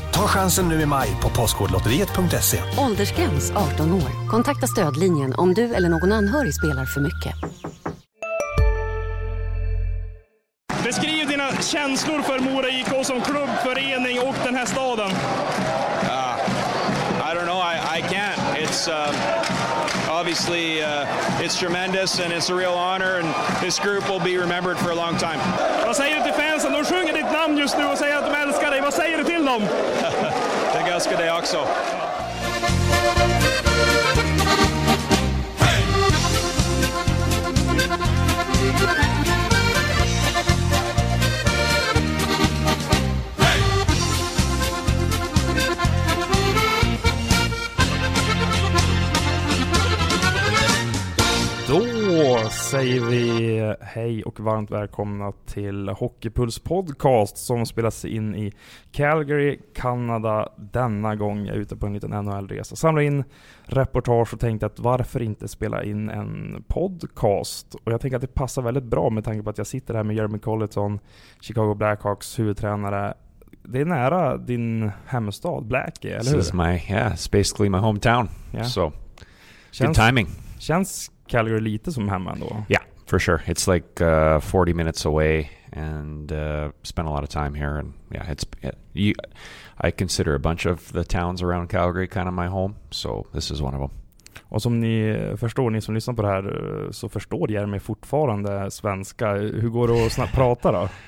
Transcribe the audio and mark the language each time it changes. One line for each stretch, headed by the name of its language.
Swedish: Ta chansen nu i maj på postkodlotteriet.se. Åldersgräns 18 år. Kontakta stödlinjen om du eller någon anhörig spelar för mycket. Beskriv dina känslor för Mora IK som klubb, förening och den här staden.
English: I don't know, I can't. It's obviously tremendous and it's a real honor and this group will be remembered for a long time.
Swedish: Vad säger du till fansen? De sjunger ditt namn just nu och säger att de älskar dig. Vad säger du till dem? De älskar dig också. Då säger vi hej och varmt välkomna till Hockeypuls podcast som spelas in i Calgary, Kanada. Denna gång är ute på en liten NHL-resa. Samlar in reportage och tänkte att varför inte spela in en podcast? Och jag tänker att det passar väldigt bra med tanke på att jag sitter här med Jeremy Colleton, Chicago Blackhawks huvudtränare. Det är nära din hemstad, Blackie, eller hur?
English: It's basically my hometown. Yeah. So, good timing.
Swedish: Känns Calgary lite som hemma ändå.
English: Yeah, for sure. It's like 40 minutes away and spent a lot of time here. And yeah, I consider a bunch of the towns around Calgary kind of my home. So this is one of them.
Swedish: Och som ni förstår, ni som lyssnar på det här, så förstår Jeremy fortfarande svenska. Hur går det att snabbt prata då?